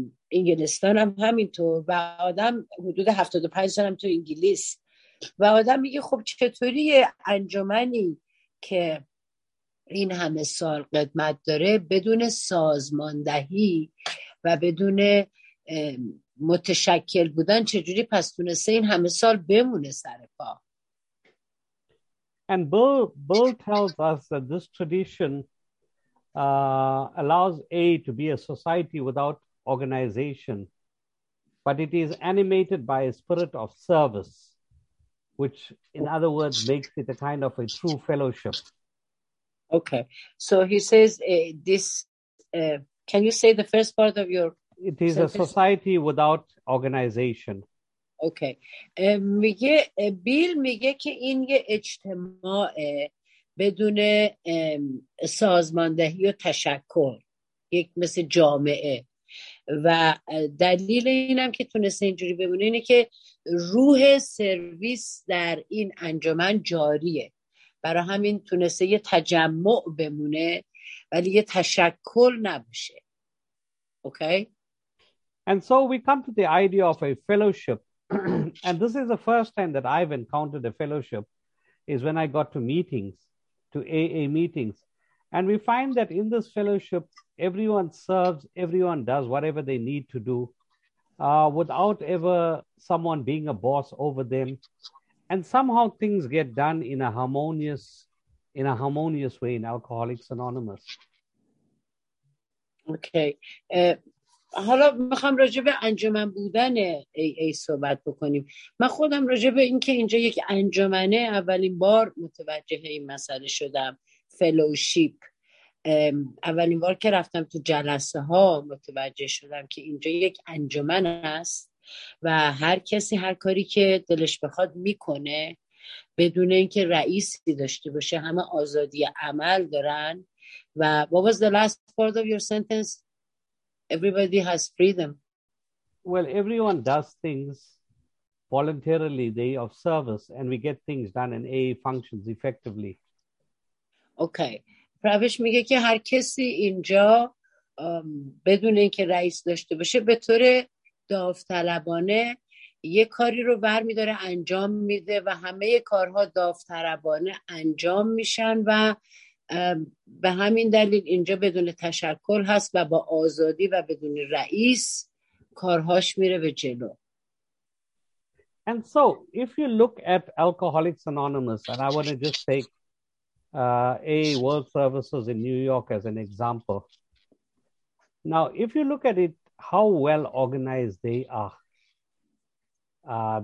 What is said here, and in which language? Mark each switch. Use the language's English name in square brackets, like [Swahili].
[Persian] انگلستان هم همینطور و آدم حدود 75 سال هم تو انگلیس و آدم میگه خب چطوری انجمنی که این همه سال قدمت داره بدون سازماندهی و بدون متشکل بودن چجوری پس تونسته این همه سال بمونه سر پا؟ [English] And Bill tells us that this tradition allows A to be a society without organization, but it is animated by a spirit of service, which in other words makes it a kind of a true fellowship. Okay, so he says this, can you say the first part of your It is sentence? A society without organization. [Persian] Okay, میگه بیل میگه که این یه اجتماع بدون سازماندهی و تشکل، یک مثل جامعه، و دلیل اینم که تونسته اینجوری بمونه اینه که روح سرویس در این انجمن جاریه، برای همین تونسته یه تجمع بمونه ولی یه تشکل نباشه. [English] Okay. And so we come to the idea of a fellowship. And this is the first time that I've encountered a fellowship is when I got to meetings, to AA meetings. And we find that in this fellowship, everyone serves, everyone does whatever they need to do without ever someone being a boss over them. And somehow things get done in a harmonious way in Alcoholics Anonymous. Okay. [Persian] حالا میخوام راجع به انجمن بودن AA صحبت بکنیم. من خودم راجع به این که اینجا یک انجمنه اولین بار متوجه این مسئله شدم. [English] Fellowship. [Persian] اولین بار که رفتم تو جلسه ها متوجه شدم که اینجا یک انجمن است. و هر کسی هر کاری که دلش بخواد میکنه بدون اینکه رئیسی داشته باشه همه آزادی عمل دارن. [English] و what was the last part of your sentence? Everybody has freedom. Well, everyone does things voluntarily, they are of service, and we get things done and AA functions effectively. Okay. [Persian] Pravesh میگه که هر کسی اینجا بدون اینکه رئیس داشته باشه به طور داوطلبانه یه کاری رو برمی‌داره انجام میده و همه کارها داوطلبانه انجام میشن و به همین دلیل اینجا بدون تشکل هست و با آزادی و بدون رئیس کارهاش میره به جلو. [English] And so if you look at Alcoholics Anonymous, and I want to just take AA World Services in New York as an example. Now, if you look at it, how well organized they are.